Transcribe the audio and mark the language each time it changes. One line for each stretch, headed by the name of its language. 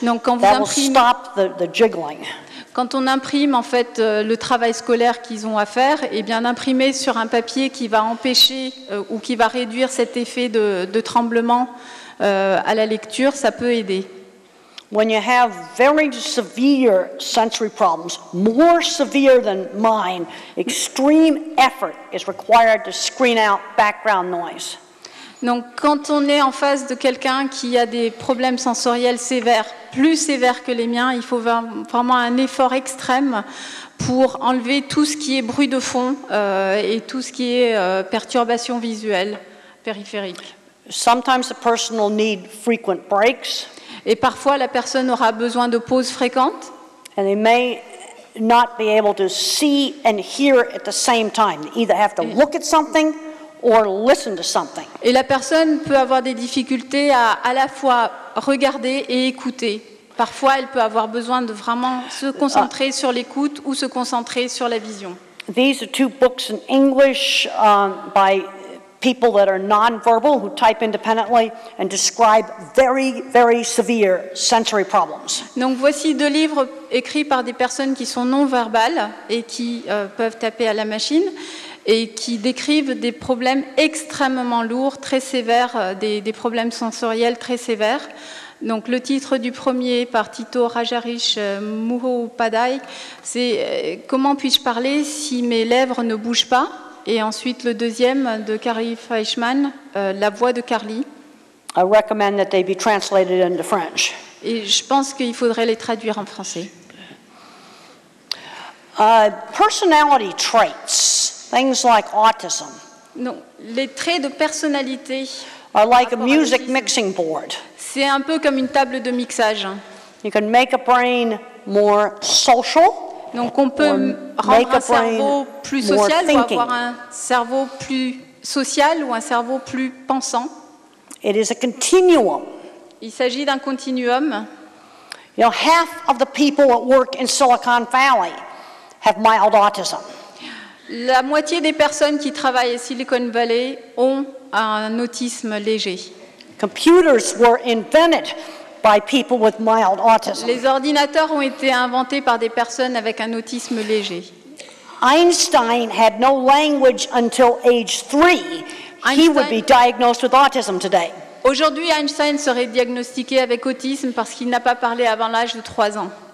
French: donc,
English: that will stop the jiggling.
French: Quand on imprime en fait le travail scolaire qu'ils ont à faire, et bien imprimer sur un papier qui va empêcher ou qui va réduire cet effet de tremblement à la lecture, ça peut aider.
English: When you have very severe sensory problems, more severe than mine, extreme effort is required to screen out background noise.
French: Donc quand on est en face de quelqu'un qui a des problèmes sensoriels sévères, plus sévères que les miens, il faut vraiment un effort extrême pour enlever tout ce qui est bruit de fond et tout ce qui est perturbation visuelle périphérique.
English: Sometimes the person will need frequent breaks.
French: Et parfois la personne aura besoin de pauses fréquentes.
English: And they may not be able to see and hear at the same time. They either have to look at something or listen to something.
French: Et la personne peut avoir des difficultés à la fois regarder et écouter. Parfois, elle peut avoir besoin de vraiment se concentrer sur l'écoute ou se concentrer sur la vision.
English: These are two books in English by people that are non-verbal who type independently and describe very, very severe sensory problems.
French: Donc voici deux livres écrits par des personnes qui sont non-verbales et qui peuvent taper à la machine. Et qui décrivent des problèmes extrêmement lourds, très sévères, des problèmes sensoriels très sévères. Donc le titre du premier par Tito Rajarish Mukhopadhyay, c'est « Comment puis-je parler si mes lèvres ne bougent pas ?» Et ensuite le deuxième de Carly Fleischmann, « La voix de Carly ».
English: I recommend that they be translated into French.
French: Et je pense qu'il faudrait les traduire en français.
English: Personality traits. Things like autism.
French: Non, les traits de personnalité.
English: Are like a music mixing board.
French: C'est un peu comme une table de mixage.
English: You can make a brain more social.
French: Donc on peut rendre un cerveau plus social ou avoir un cerveau plus social ou un cerveau plus pensant.
English: It is a continuum.
French: Il s'agit d'un continuum.
English: You know, half of the people at work in Silicon Valley have mild autism.
French: La moitié des personnes qui travaillent à Silicon Valley ont un autisme léger.
English: Computers were invented by people with mild autism.
French: Les ordinateurs ont été inventés par des personnes avec un autisme léger.
English: Einstein had no language until age 3. He would be diagnosed with autism today.
French: Aujourd'hui, Einstein serait diagnostiqué avec autisme parce qu'il n'a pas parlé avant l'âge de 3 ans.